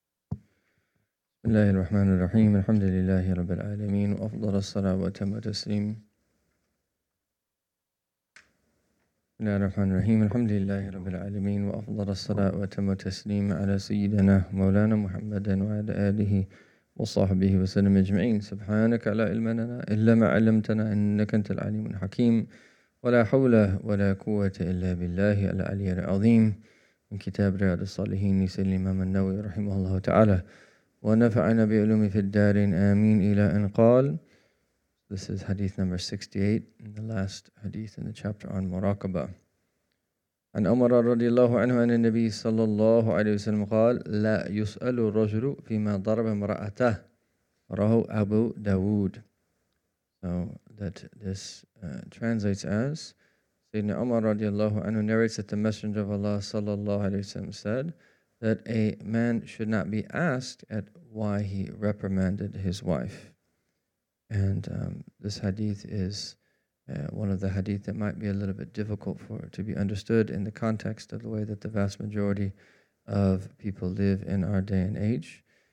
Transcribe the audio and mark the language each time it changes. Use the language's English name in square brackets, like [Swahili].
[Arabic] بسم الله الرحمن الرحيم الحمد لله رب العالمين وأفضل الصلاة وأتم التسليم بسم الله الرحمن الرحيم الحمد لله رب العالمين وأفضل الصلاة وأتم التسليم على سيدنا مولانا محمد وعلى آله وصحبه وسلم أجمعين سبحانك لا علم لنا إلا ما علمتنا إنك أنت العليم الحكيم ولا حول ولا قوة إلا بالله العلي العظيم من كتاب رياض الصالحين لسيد الإمام النووي رحمه الله تعالى ونفعنا بعلوم في الدار آمين إلى أن قال. [English] This is hadith number 68 and the last hadith in the chapter on muraqabah. [Arabic] عن عمر رضي الله عنه أن النبي صلى الله عليه وسلم قال لا يسأل الرجل فيما ضرب امرأته رواه أبو داود. [English] So that this translates as Sayyidina Umar [Arabic] رضي الله عنه [English] narrates that the Messenger of Allah [Arabic] صلى الله عليه وسلم [English] said that a man should not be asked at why he reprimanded his wife. And this hadith is one of the hadith that might be a little bit difficult for to be understood in the context of the way that the vast majority of people live in our day and age.